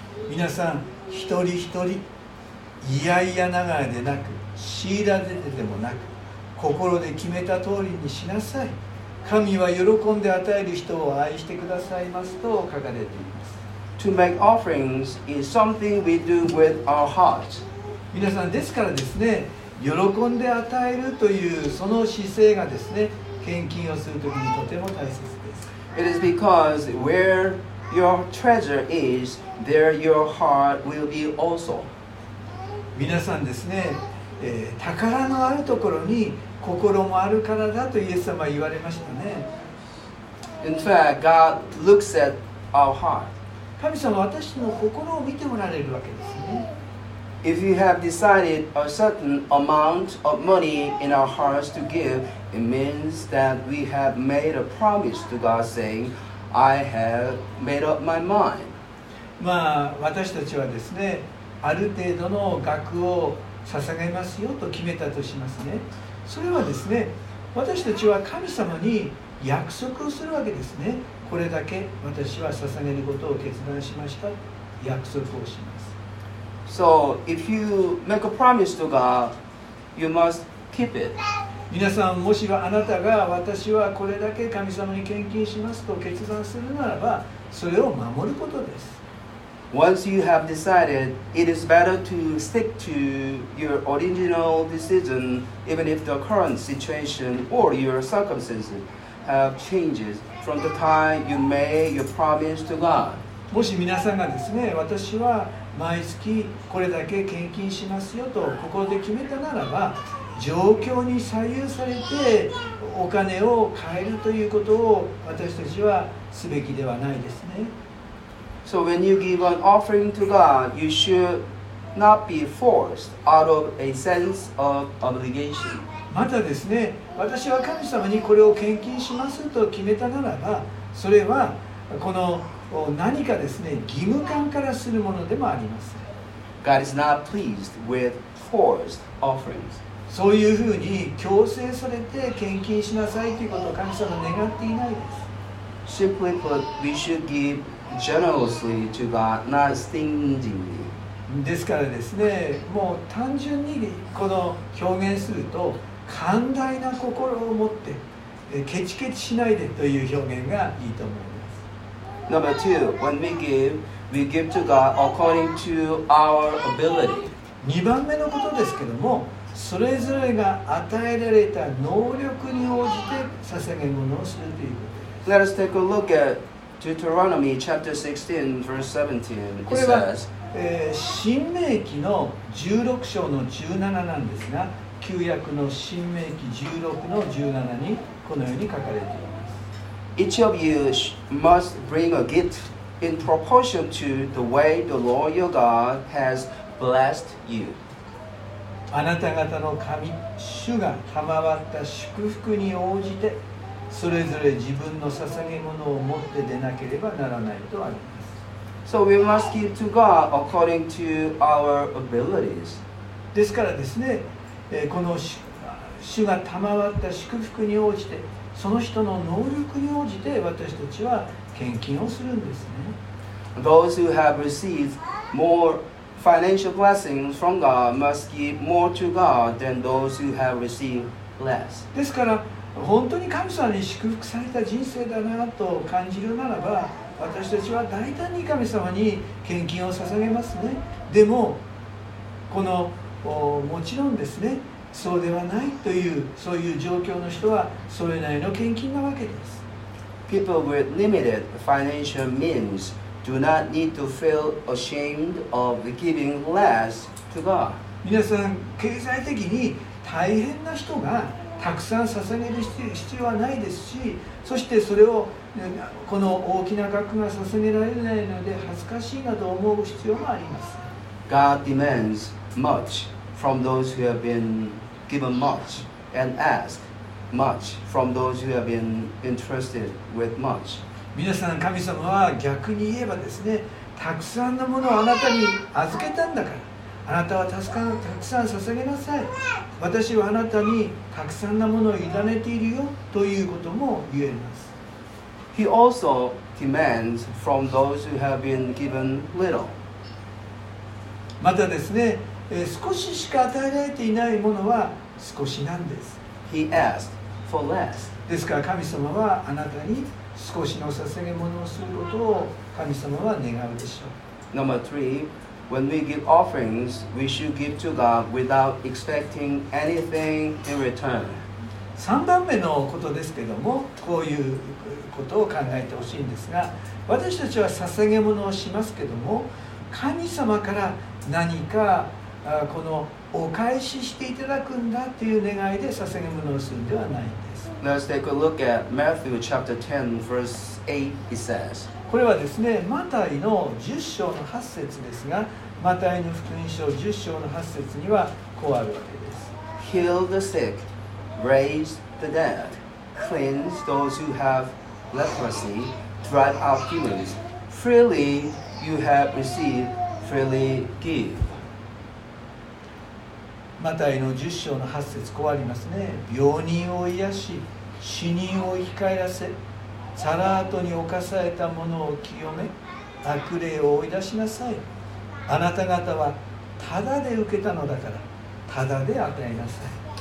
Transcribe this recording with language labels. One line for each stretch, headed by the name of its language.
Japanese: 皆さん一人一人、いやいやながらでなく、強いられてでもなく、心で決めた通りにしなさい。神は喜んで与える人を愛してくださいますと書かれています。
English: To make offerings is something we do with our hearts.
Japanese: 皆さんですからですね、喜んで与えるというその姿勢がですね、献金をするときにとても大切です。
English: It is because where your treasure is, there your heart will be also.
Japanese: 皆さんですね、宝のあるところに心もあるからだとイエス様は言われましたね。
English: In fact, God looks at our heart.
Japanese: 神様は私の心を見ておられるわけですね。
English: If you have decided a certain amount of money in our hearts to give, it means that we have made a promise to God saying, I have made up my mind.
Japanese: まあ、私たちはですね、ある程度の額を捧げますよと決めたとしますね。それはですね、私たちは神様に約束をするわけですね。これだけ私は捧げることを決断しました。約束をします。
English: So if you make a promise to God, you must keep it.
Japanese: 皆さん、もしあなたが私はこれだけ神様に献金しますと決断するならば、それを守ることです。
English: Once you have decided, it is better to stick to your original decision, even if the current situation or your circumstances have changed from the time you made your promise to God.
Japanese: もし皆さんがですね、私は毎月これだけ献金しますよと心で決めたならば、状況に左右されてお金を変えるということを私たちはすべきではないですね。
English: So when you give an offering to God, you should not be forced out of a sense of obligation.
Japanese: またですね、私は神様にこれを献金しますと決めたならば、それはこの何かですね、義務感からするものでもあります。
English: God is not pleased with forced offerings.
Japanese: そういうふうに強制されて献金しなさいということを神様は願っていないです。
English: Simply put, we should give. Generously to God, not stingily.
Japanese: ですからですね、もう単純にこの表現すると寛大な心を持ってケチケチしないでという表現がいいと思います。
English: Number two, when we give to God according to our ability.
Japanese: 2番目のことですけども、それぞれが与えられた能力に応じて捧げ物をするということです。
English: Let us take a look atDeuteronomy chapter 16, verse 17, it says,
Japanese: 新命記の16章の17なんですが、旧約の新命記16の17にこのように書かれています。
English: Each of you must bring a gift in proportion to the way the Lord your God has blessed you.
Japanese: あなた方の神、主が賜った祝福に応じて、それぞれ自分の捧げ物を持って出なければならないとあります。
English: So we must give to God according to our abilities.
Japanese: ですからですね、この主が賜った祝福に応じて、その人の能力に応じて私たちは献金をするんですね。
English: Those who have received more financial blessings from God must give more to God than those who have received less.
Japanese: ですから、本当に神様に祝福された人生だなと感じるならば、私たちは大胆に神様に献金を捧げますね。でもこのもちろんですね、そうではないというそういう状況の人はそれなりの献金なわけです。
English: People with limited financial means do not need to feel ashamed of giving less to God.
Japanese: 皆さん、経済的に大変な人がたくさん捧げる必要はないですし、そしてそれをこの大きな額が捧げられないので恥ずかしいなと思う必要もあります。
English: God demands much from those who have been given much and ask much from those who have been entrusted with much.
Japanese: 皆さん、神様は逆に言えばですね、たくさんのものをあなたに預けたんだから、あなたはたくさん捧げなさい。私はあなたにたくさんなものを委ねているよということも言えます。
English: He also demands from those who have been given little.
Japanese: またですね、少ししか与えられていないものは少しなんです。
English: He asked for less.
Japanese: ですから神様はあなたに少しの捧げ物をすることを神様は願うでしょう。
English: Number three. When we give offerings, we should give to God without expecting anything in return.
Japanese: 3番目のことですけども、こういうことを考えてほしいんですが、私たちは捧げ物をしますけども、神様から何かこのお返ししていただくんだという願いで捧げ物をするんではないんです。
English: Let's take a look at Matthew chapter 10, verse 8, it says.
Japanese: これはですね、マタイの10章の8節ですが、マタイの福音書10章の8節にはこうあるわけです。
English: Heal the sick, raise the dead, cleanse those who have leprosy, drive out demons. Freely you have received, freely give.
Japanese: マタイの10章の8節こうありますね。病人を癒し、死人を生き返らせ、サラートに侵された者を清め、悪霊を追い出しなさい。あなた方はただで受けたのだから、ただで与えなさい。